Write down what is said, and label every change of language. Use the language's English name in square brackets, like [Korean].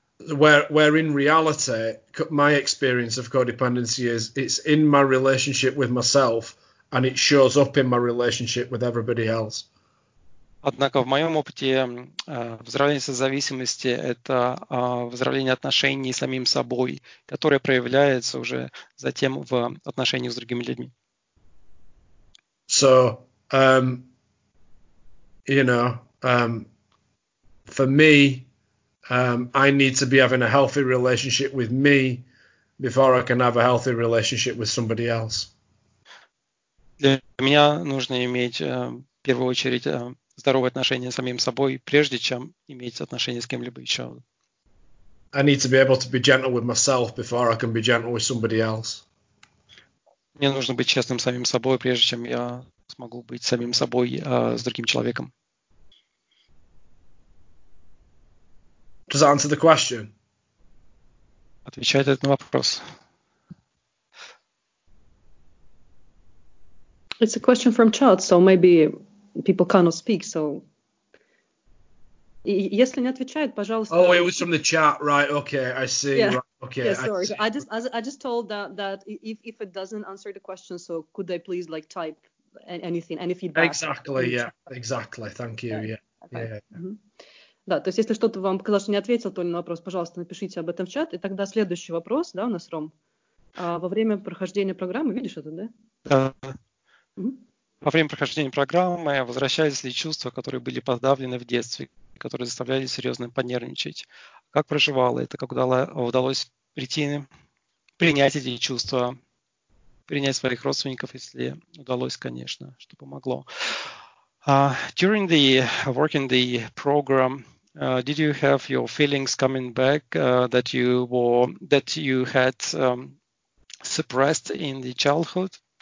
[English] Where in reality, my experience of codependency is it's in my relationship with myself and it shows up in my relationship with everybody else. [Russian] Однако в моем опыте выздоровление созависимости – это выздоровление отношений с самим собой, которое проявляется уже затем в отношениях с другими людьми. [English] So, you know, for me, I need to be having a healthy relationship with me before I can have a healthy relationship with somebody else. [Russian] Для меня нужно иметь в первую очередь здоровые отношения с самим собой, прежде чем иметь отношения с кем-либо еще. [English] I need to be able to be gentle with myself before I can be gentle with somebody else. [Russian] Мне нужно быть честным с самим собой, прежде чем я смогу быть самим собой с другим человеком. [English] Does that answer the question? [Russian] Отвечает это на вопрос. [English] It's a question from chat, so maybe people cannot speak, so... [Russian] Если не отвечает, пожалуйста... [English] Oh, it was from the chat, right, okay, I see. Yeah, right. Okay, yeah, sorry. I just told that if it doesn't answer the question, so could they please, like, type anything, any feedback? Exactly, yeah, exactly, thank you, yeah. [Russian] Да, то есть если что-то вам показалось, что не ответил, то на вопрос, пожалуйста, напишите об этом в чат, и тогда следующий вопрос, да, у нас, Ром, во время прохождения программы, видишь это, да? Да. Во время прохождения программы возвращались ли чувства, которые были подавлены в детстве, которые заставляли серьезно понервничать? Как проживало это? Как удалось принять эти чувства, принять своих родственников, если удалось, конечно, что помогло? [English] During the working the program, did you have your feelings coming back that you had suppressed in the childhood?